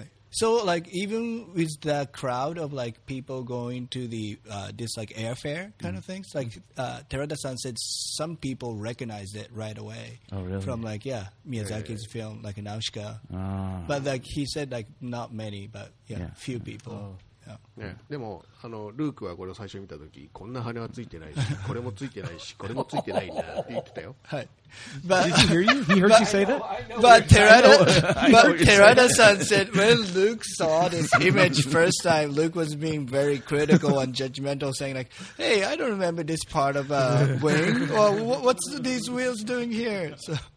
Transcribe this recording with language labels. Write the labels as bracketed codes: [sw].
[en] So, like, even with the crowd of like people going to the this like airfare kind of things, like Terada-san said, some people recognized it right away. Oh, really? From like Miyazaki's film, like Nausicaa. Ah. But like he said, like not many, but few people. Oh. Yeah. [ja] でもあのルークはこれを最初見た時、こんな羽はついてないし、これもついてないし、これもついてないんだって言ってたよ。はい。 [en] But, did he hear you? He heard you say that? But Terada-san said when Luke saw this image first time, Luke was being very critical and judgmental, saying like, hey, I don't remember this part of a wing. Or, what's these wheels doing here? So.